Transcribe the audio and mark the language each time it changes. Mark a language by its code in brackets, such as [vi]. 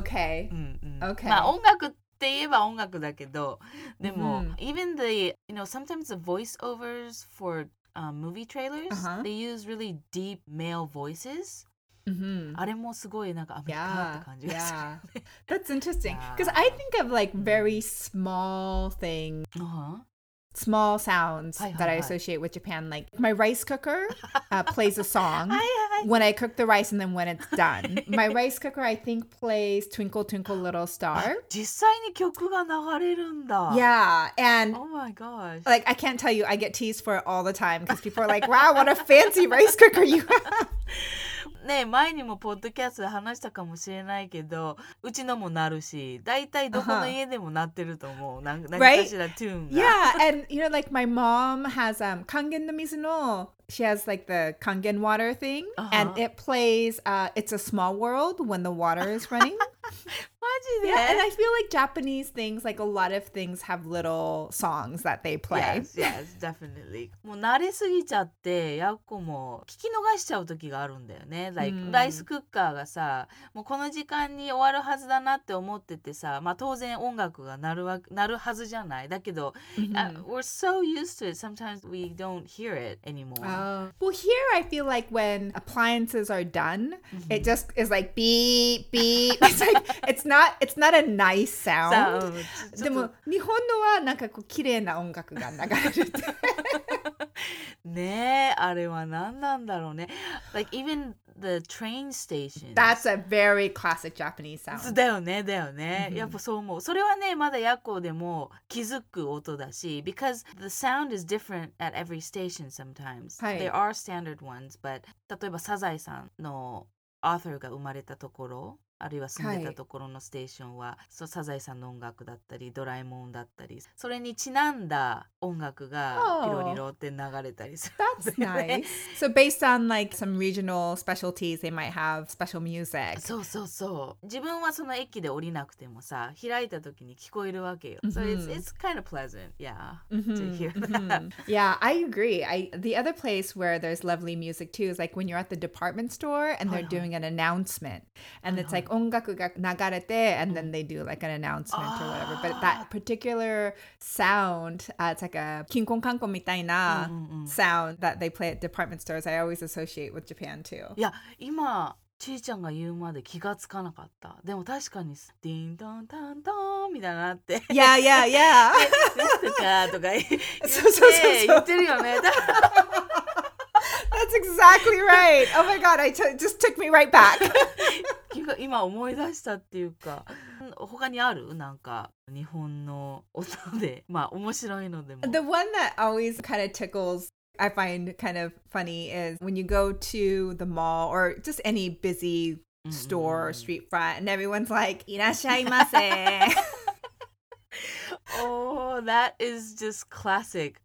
[en] Okay. Okay. [ja] まあ音楽ってって言えば音楽だけど、でも、 [en] even the, you know, sometimes the voiceovers for movie trailers, they use really deep male voices. [ja] あれもすごいなんかアメリカって感じがする。 [en] That's interesting. Because I think of like very small things. Small sounds that I associate with Japan. Like my rice cooker plays a song when I cook the rice and then when it's done. My rice cooker, I think, plays Twinkle Twinkle Little Star. [ja] 実際に曲が流れるんだ。 [en] Yeah. And oh my gosh. Like, I can't tell you, I get teased for it all the time because people are like, wow, what a fancy rice cooker you have. [ja] ね、前にもポッドキャストで話したかもしれないけど、うちのも鳴るし、だいたいどこの家でも鳴ってると思う。何かしら、トゥーンが。 [en] Yeah, and you know, like my mom has, [ja] kangen no mizu no, [en] she has like the kangen water thing, and it plays, It's a Small World when the water is running. [ja] マジで? [en] Yeah, and I feel like Japanese things, like a lot of things have little songs that they play. Yes, yes, definitely. [ja] もう慣れすぎちゃって、やっこも聞き逃しちゃう時があるんだよね。 Like, ライスクッカーがさ、もうこの時間に終わるはずだなって思っててさ、まあ当然音楽が鳴るはずじゃない。 [en] だけど、we're so used to it, sometimes we don't hear it anymore. Well, here I feel like when appliances are done, it just is like beep, beep. It's like, it's not a nice sound. [ja] でも日本のはなんかこう綺麗な音楽が流れてねえ、あれは何なんだろうね。 [en] Like even the train station. That's a very classic Japanese sound. [ja] だよね、だよね。やっぱそう思う。それはね、まだ夜行でも気づく音だし、 [en] because the sound is different at every station sometimes. [ja] はい。 [en] There are standard ones, but [ja] 例えばサザエさんのアーサーが生まれたところ、あるいは住んでたところのステーションは、はい、サザエさんの音楽だったりドラえもんだったり、それにちなんだ音楽がピロリロって流れたりする。 [en] That's nice. So based on like some regional specialties, they might have special music. [ja] そうそうそう。自分はその駅で降りなくてもさ、開いた時に聞こえるわけよ。 [en] So it's kind of pleasant, yeah, to hear that. Yeah, I agree. The other place where there's lovely music too is like when you're at the department store and they're doing an announcement, and it's like [ja] 音楽が流れて、 [en] and then they do like an announcement or whatever. But that particular sound, it's like a kinkon kankon みたいな sound that they play at department stores. I always associate with Japan too. [ja] いや、今ちいちゃんが言うまで気がつかなかった。でも確かにディンドンタントンみたいなって。 [en] Yeah, yeah, yeah. [ja] とか言って言ってるよね。 [en] That's exactly right. Oh my god, just took me right back. [ja] 今思い出したっていうか、他にある？なんか日本の音で、まあ面白いのでも。 [en] The one that always kind of tickles, I find kind of funny, is when you go to the mall or just any busy store or street front, and everyone's like, いらっしゃいませ。 Oh, that is just classic.